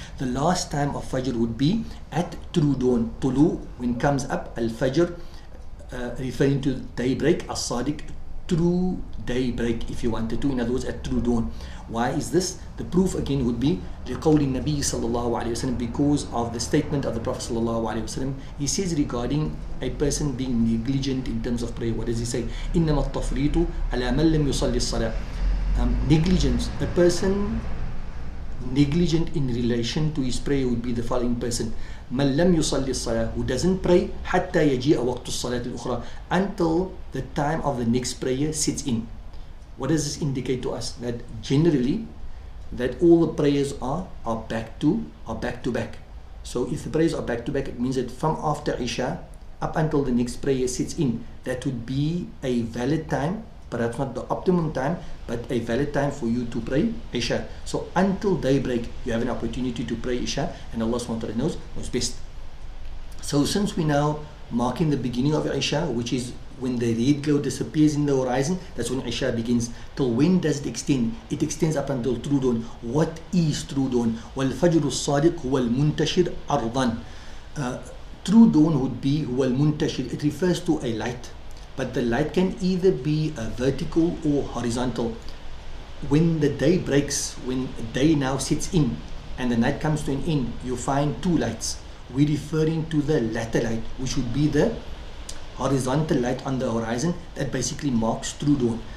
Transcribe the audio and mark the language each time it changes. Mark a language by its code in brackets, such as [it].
[en] The last time of Fajr would be at true dawn. طلوع, when comes up, الفجر, referring to daybreak, الصادق, true daybreak, if you wanted to, in other words, at true dawn. Why is this? The proof again would be [ar] لقول النبي صلى الله عليه وسلم, [en] because of the statement of the Prophet صلى الله عليه وسلم. He says regarding a person being negligent in terms of prayer. What does he say? [ar] إنما التفريط على من لم يصلي الصلاة. [en] Negligence, a person negligent in relation to his prayer would be the following person. [ar] من لم يصلي الصلاة, [en] who doesn't pray [ar] حتى يجيء وقت الصلاة الأخرى, [en] until the time of the next prayer sits in. What does this indicate to us? That generally, that all the prayers are back to back. So if the prayers are back to back, it means that from after Isha up until the next prayer sits in, that would be a valid time, perhaps not the optimum time, but a valid time for you to pray Isha. So until daybreak, you have an opportunity to pray Isha, and Allah subhanahu wa ta'ala knows what's best. So since we now marking the beginning of Isha, which is when the red glow disappears in the horizon, that's when Isha begins. Till when does it extend? It extends up until true dawn. What is true dawn? [ar] والفجر الصادق هو المنتشر أرضا. [en] True dawn would be [ar] هو المنتشر. [en] It refers to a light. But the light can either be a vertical or horizontal. When the day breaks, when day now sits in and the night comes to an end, you find two lights. We're referring to the latter light, which would be the horizontal light on the horizon that basically marks true dawn.